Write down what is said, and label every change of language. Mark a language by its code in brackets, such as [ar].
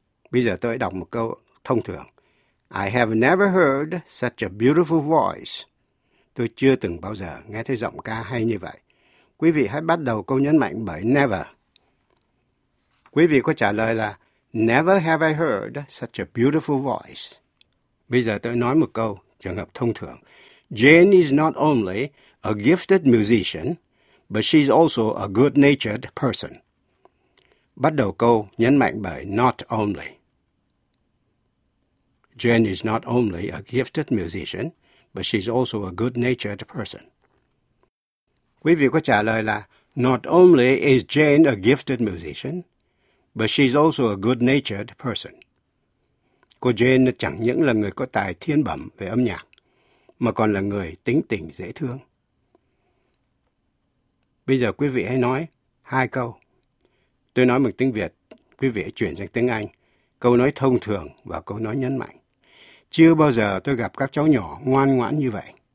[vi] Bây giờ tôi đọc một câu thông thường. [en] I have never heard such a beautiful voice. [vi] Tôi chưa từng bao giờ nghe thấy giọng ca hay như vậy. Quý vị hãy bắt đầu câu nhấn mạnh bởi never. Quý vị có trả lời là [en] never have I heard such a beautiful voice. [vi] Bây giờ tôi nói một câu trường hợp thông thường. [en] Jane is not only a gifted musician, but she's also a good-natured person. [vi] Bắt đầu câu nhấn mạnh bởi not only. [en] Jane is not only a gifted musician, but she's also a good-natured person. [vi] Quý vị có trả lời là, [en] not only is Jane a gifted musician, but she's also a good-natured person. [vi] Cô Jane chẳng những là người có tài thiên bẩm về âm nhạc, mà còn là người tính tình dễ thương. Bây giờ quý vị hãy nói hai câu. Tôi nói bằng tiếng Việt, quý vị hãy chuyển sang tiếng Anh. Câu nói thông thường và câu nói nhấn mạnh. Chưa bao giờ tôi gặp các cháu nhỏ ngoan ngoãn như vậy.